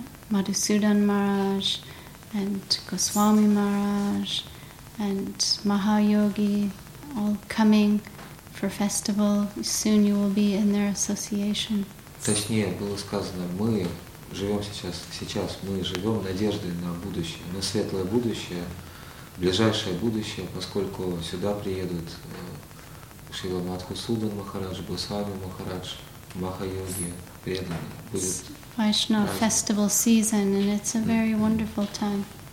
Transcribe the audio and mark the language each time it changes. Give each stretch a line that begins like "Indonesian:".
English: Madhusudan Maharaj and Goswami Maharaj and Mahayogi all coming for festival. Soon you will be in their association.
Russian: Точнее было сказано, мы живем сейчас, сейчас мы живем надеждой на будущее, на светлое будущее, ближайшее будущее, поскольку сюда приедут Шрила Мадхусудан Махарадж, Госвами Махарадж, Махайоги, преданные. Будет
English: Vaishnava festival season, and it's a very wonderful time.